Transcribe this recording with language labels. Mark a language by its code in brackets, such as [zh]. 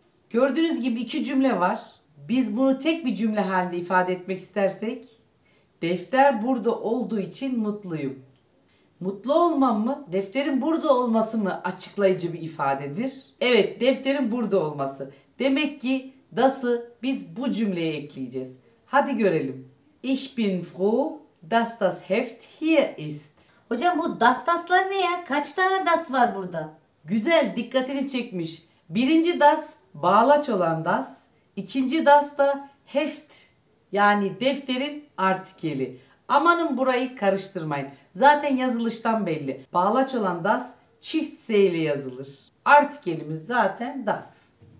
[tr] Gördüğünüz gibi iki cümle var. Biz bunu tek bir cümle halinde ifade etmek istersek, defter burada olduğu için mutluyum. Mutlu olmam mı, defterin burada olması mı açıklayıcı bir ifadedir? Evet, defterin burada olması. Demek ki das'ı biz bu cümleye ekleyeceğiz. Hadi görelim. [de] Ich bin froh, dass das Heft hier ist. [tr] Hocam bu das das'lar ne ya? Kaç tane das var burada? Güzel, dikkatini çekmiş. Birinci das, bağlaç olan das. İkinci das da heft, yani defterin artikeli. Amanın burayı karıştırmayın. Zaten yazılıştan belli. Bağlaç olan das çift s ile yazılır. Artikelimiz zaten das.